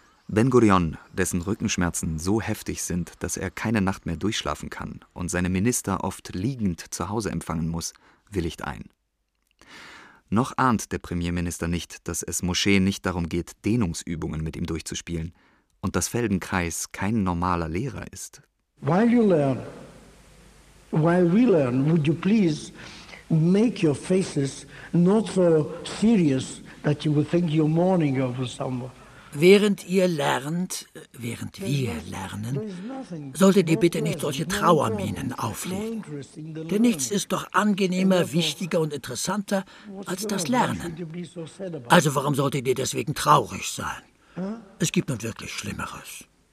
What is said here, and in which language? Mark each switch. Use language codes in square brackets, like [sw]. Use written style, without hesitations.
[de] Ben-Gurion, dessen Rückenschmerzen so heftig sind, dass er keine Nacht mehr durchschlafen kann und seine Minister oft liegend zu Hause empfangen muss, willigt ein. Noch ahnt der Premierminister nicht, dass es Moschee nicht darum geht, Dehnungsübungen mit ihm durchzuspielen und dass Feldenkreis kein normaler Lehrer ist. [en] While you learn, while we learn, would you please make your faces not so serious that you would think you're mourning over someone. [de] Während ihr lernt, während wir lernen, solltet ihr bitte nicht solche Trauerminen auflegen. Denn nichts ist doch angenehmer, wichtiger und interessanter als das Lernen. Also warum solltet ihr deswegen traurig sein? Es gibt nun wirklich Schlimmeres.